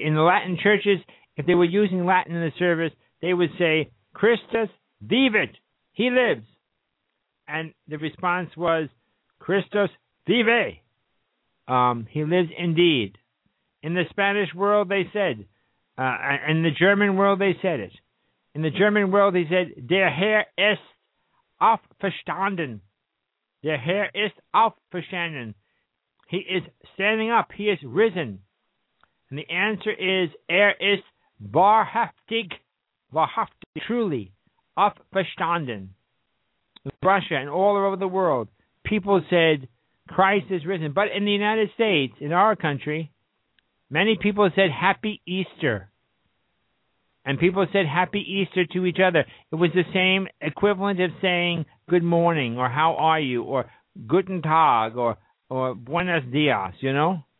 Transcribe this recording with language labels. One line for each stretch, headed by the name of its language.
English: In the Latin churches, if they were using Latin in the service, they would say,
Latin: Christus vivit,
English: he lives. And the response was,
Latin: Christus vive,
English: he lives indeed. In the Spanish world, they said, in the German world, they said it. In the German world, they said,
German: Der Herr ist aufgestanden. Der Herr ist aufgestanden.
English: He is standing up. He is risen. And the answer is,
German: ist wahrhaftig, wahrhaftig,
English: truly,
German: aufgestanden.
English: In Russia and all over the world, people said, Christ is risen. But in the United States, in our country, many people said, Happy Easter. And people said, Happy Easter to each other. It was the same equivalent of saying, Good morning, or How are you, or
German: Guten Tag,
English: or
Spanish: Buenos Dias,
English: you know?